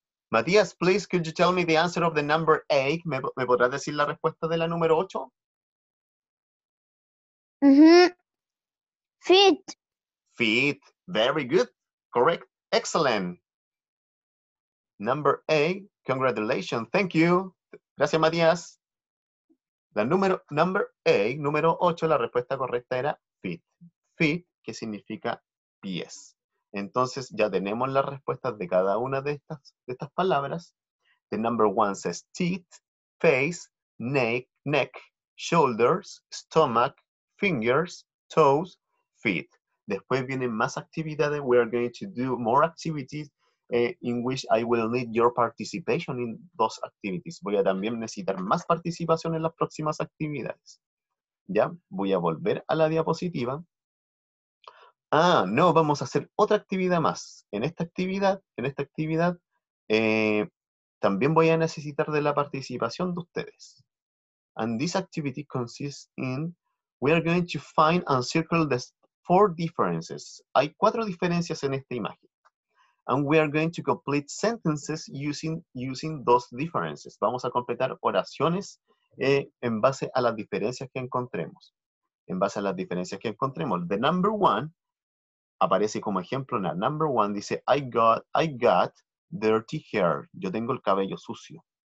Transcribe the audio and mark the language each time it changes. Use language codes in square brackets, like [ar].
[en] Matías, please, could you tell me the answer of the number eight? [es] ¿Me podrás decir la respuesta de la número ocho? [en] Uh-huh. Feet. Feet. Very good. Correct. Excellent. Number eight. Congratulations. Thank you. [es] Gracias, [en] Matías. [es] La número, number 8, número 8, la respuesta correcta era feet. Feet, que significa pies. Entonces, ya tenemos las respuestas de cada una de estas palabras. [en] The number 1 says teeth, face, neck, shoulders, stomach, fingers, toes, feet. [es] Después vienen más actividades. [en] We are going to do more activities in which I will need your participation in those activities. [es] Voy a también necesitar más participación en las próximas actividades. Ya, voy a volver a la diapositiva. Ah, no, vamos a hacer otra actividad más. En esta actividad, también voy a necesitar de la participación de ustedes. [en] And this activity consists in, we are going to find and circle the four differences. [es] Hay cuatro diferencias en esta imagen. [en] And we are going to complete sentences using those differences. [es] Vamos a completar oraciones en base a las diferencias que encontremos. [en] The number one [es] aparece como ejemplo en la number one. Dice, [en] I got dirty hair. [es] Yo tengo el cabello sucio.